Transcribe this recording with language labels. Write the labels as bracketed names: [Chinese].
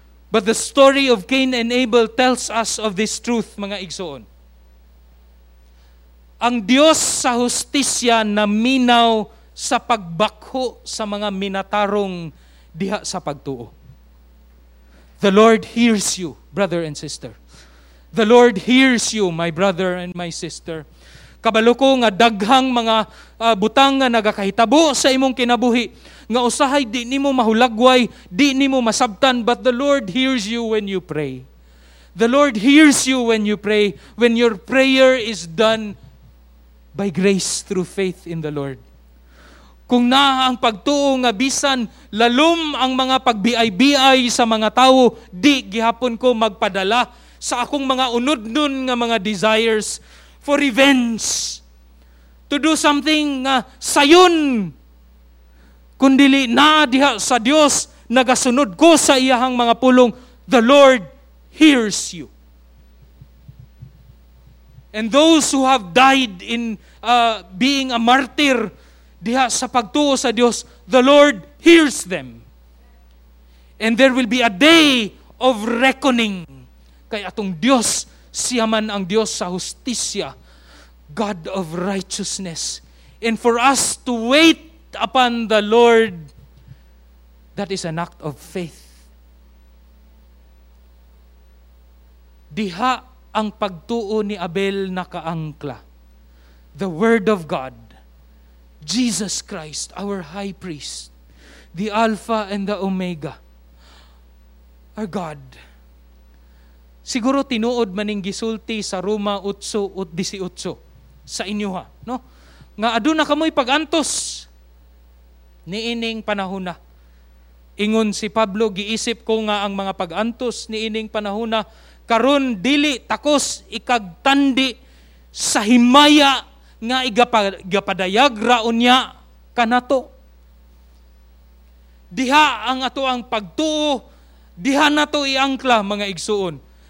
[English] But the story of Cain and Abel tells us of this truth, [Cebuano] mga igsoon. Ang Dios sa hustisya naminaw sa pagbakho sa mga minatarong diha sa pagtuo. [English] The Lord hears you, brother and sister. The Lord hears you, my brother and my sister. [Cebuano] Kabalo ko nga daghang mga butang nga nagakahitabo sa imong kinabuhi, nga usahay di nimo mahulagway, di nimo masabtan, [English] but the Lord hears you when you pray. The Lord hears you when you pray, when your prayer is done by grace through faith in the Lord. [Cebuano] Kung naa ang pagtuo nga bisan lalom ang mga pagbiay-biay sa mga tawo, di gihapon ko magpadala sa akong mga unod-nun nga mga [English] desires for revenge, to do something [Cebuano] nga sayon, kundili na diha sa Dios nagasunod ko sa iyahang mga pulong. [English] The Lord hears you. And those who have died in being a martyr [Cebuano] diha sa pagtuo sa Dios, [English] the Lord hears them. And there will be a day of reckoning [Cebuano] kay atong Dios, siya man ang Dios sa hustisya, [English] God of righteousness. And for us to wait upon the Lord, that is an act of faith. [Cebuano] Diha ang pagtuo ni Abel nakaangkla. [English] The Word of God, Jesus Christ, our High Priest, the Alpha and the Omega, our God. [Cebuano] Siguro tinuod maning gisulti sa Roma 8:18 sa inyuha, no? Nga aduna kamoy pag-antos niining panahuna. Ingon si Pablo, giisip ko nga ang mga pag-antos niining panahuna karon dili takos ikagtandi sa himaya nga igapadayag raon niya kanato. Diha ang ato ang pagtuo, diha nato iangkla, mga igsuon.